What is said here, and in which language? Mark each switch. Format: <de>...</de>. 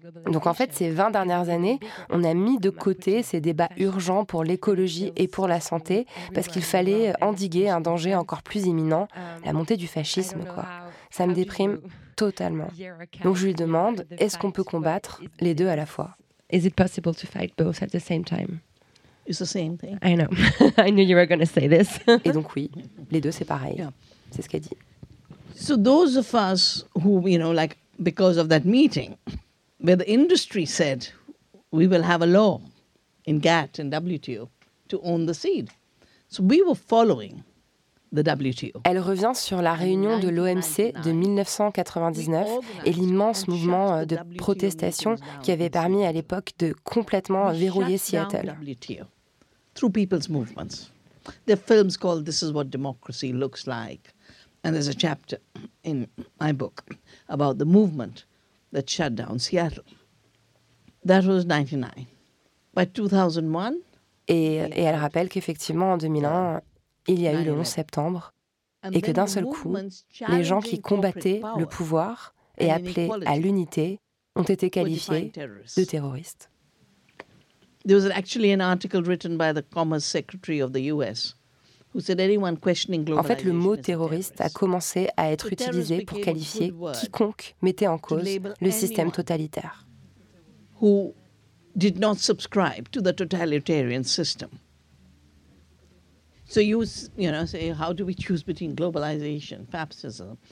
<fr>Donc en fait, ces 20 dernières années, on a mis de côté ces débats urgents pour l'écologie et pour la santé, parce qu'il fallait endiguer un danger encore plus imminent, la montée du fascisme, quoi. Ça me déprime totalement. Donc je lui demande, est-ce qu'on peut combattre les deux à la fois ?</fr> <en>Is it possible to fight both at the same time ? It's the same thing. I know. I knew you were going to say this.</en> <fr>Et donc oui, les deux c'est pareil. Yeah. C'est ce qu'elle dit.</fr> <en>So those of us who, you know, like because of that meeting where the industry said we will have a law in GATT and WTO to own the seed. So we were following the WTO.</en> <fr>Elle revient sur la réunion de l'OMC de 1999 et l'immense mouvement de protestation qui avait permis à l'époque de complètement verrouiller Seattle.</fr> <en>Through people's movements. There are films called This is what democracy looks like and there's a chapter in my book about the movement that shut down Seattle. That was 99. By 2001</en> <fr>et elle rappelle qu'effectivement en 2001 il y a eu le 11 septembre, et que d'un seul coup, les gens qui combattaient le pouvoir et appelaient à l'unité ont été qualifiés de terroristes.</fr> <en>There was actually an article written by the Commerce Secretary of the U.S. who said anyone questioning globalization.</en> <fr>En fait, le mot terroriste a commencé à être utilisé pour qualifier quiconque mettait en cause le système totalitaire.</fr> <en>Who did not subscribe to the totalitarian system. So you say, how do we choose between globalization, fascism?</en>